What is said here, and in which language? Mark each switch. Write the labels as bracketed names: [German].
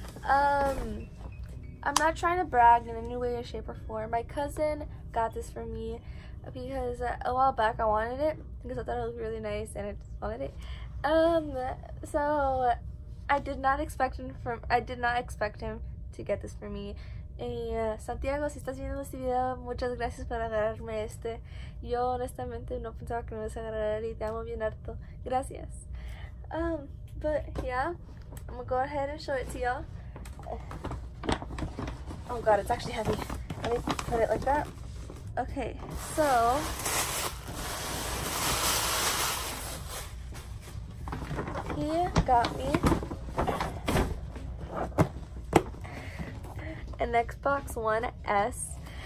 [English] I'm not trying to brag in any way, shape, or form. My cousin got this for me because a while back I wanted it because I thought it looked really nice and I just wanted it. So I did not expect him to get this for me. [Spanish] Santiago, si estás viendo este video, muchas gracias por agarrarme este. Yo honestamente no pensaba que me ibas a agarrar y te amo bien harto. Gracias. [English] But yeah, I'm gonna go ahead and show it to y'all. Oh god, it's actually heavy. Let me put it like that. Okay, so he got me an Xbox One S.